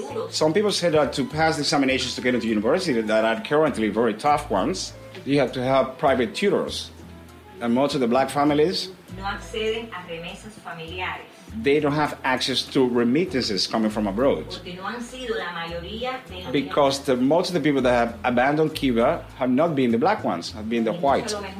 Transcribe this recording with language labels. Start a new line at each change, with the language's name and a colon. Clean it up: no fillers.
English: Some people say that to pass the examinations to get into university, that are currently very tough ones, you have to have private tutors. and most of the black families,
Spanish: no acceden a remesas familiares.
English: They don't have access to remittances coming from abroad.
Spanish: Porque no han sido la mayoría de los
English: because the, most of the people that have abandoned Cuba have not been the black ones, have been the white.